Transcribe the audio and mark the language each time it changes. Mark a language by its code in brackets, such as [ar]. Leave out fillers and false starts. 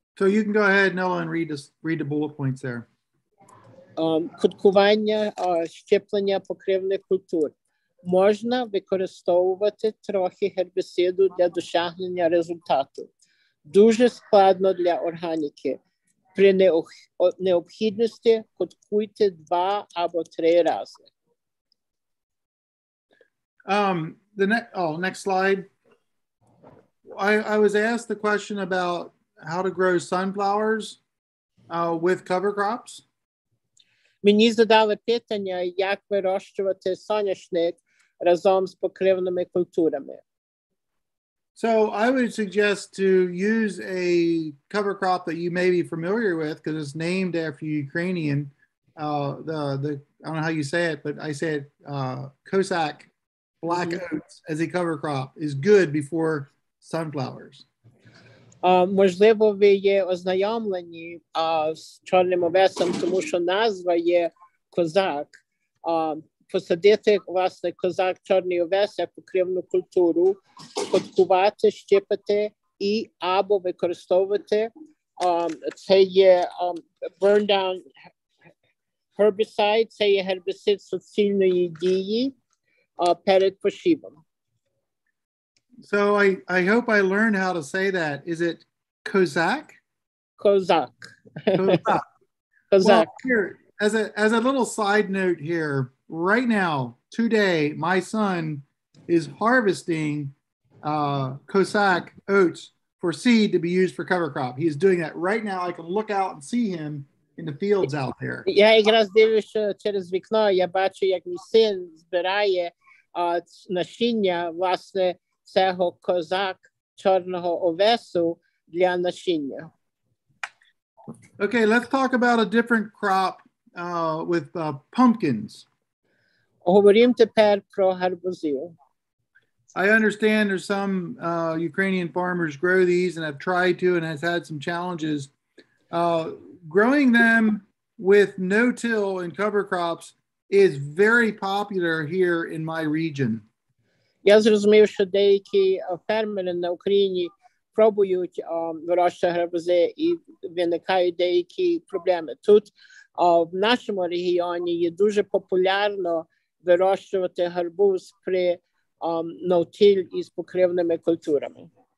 [en] So you can go ahead, Nella, and read the bullet points there. [uk] Куткування, щеплення покривних культур. Можна використовувати трохи гербіциду для досягнення результату. Дуже складно для органіки. При необхідності куткуйте 2 або 3 рази. [en] Next slide. I was asked the question about how to grow sunflowers with cover crops. [uk] Мені задали питання, як вирощувати соняшник разом з покривними культурами. [en] So I would suggest to use a cover crop that you may be familiar with because it's named after Ukrainian, the I don't know how you say it, but I say it Cossack black oats as a cover crop is good before sunflowers. [uk] Можливо, ви є ознайомлені з чорним овесом, тому що назва є козак. Посадити, власне, козак чорний овес як покривну культуру, подкувати, щипати і або використовувати. Це є [en] burn down herbicide, [uk] це є гербіцид суцільної дії перед посівом. [en] So I hope I learned how to say that. Is it Cossack? Cossack. Cossack. Well, here, as a little side note here, right now, today, my son is harvesting Cossack oats for seed to be used for cover crop. He is doing that right now. I can look out and see him in the fields out there. [uk] Я якраз дивлюся через вікно, я бачу, як мій син збирає насіння, власне, цього козак чорного овесу для насіння. [en] Okay, let's talk about a different crop with pumpkins. [uk] Говорим тепер про гарбузи. [en] I understand there's some Ukrainian farmers grow these and have tried to and has had some challenges. Growing them with no-till and cover crops is very popular here in my region. [uk] Я зрозумів, що деякі фермери на Україні пробують вирощувати гарбузи і виникають деякі проблеми. Тут в нашому регіоні є дуже популярно вирощувати гарбуз при no-till із покривними культурами.